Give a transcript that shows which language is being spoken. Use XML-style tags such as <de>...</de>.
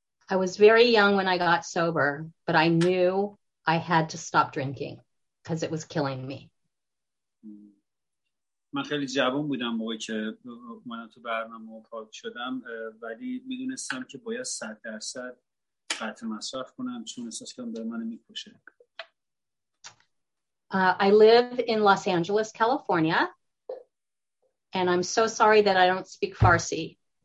<en>I was very young when I got sober, but I knew I had to stop drinking because it was killing me.</en> <fa>من خیلی جوان بودم موقعی که من تو برنامه پاک شدم، ولی میدونستم که باید 100% قطع مصرف کنم چون احساس کردم داره منو میکشه.</fa> <en>I live in Los Angeles, California, and I'm so sorry that I don't speak Farsi.</en>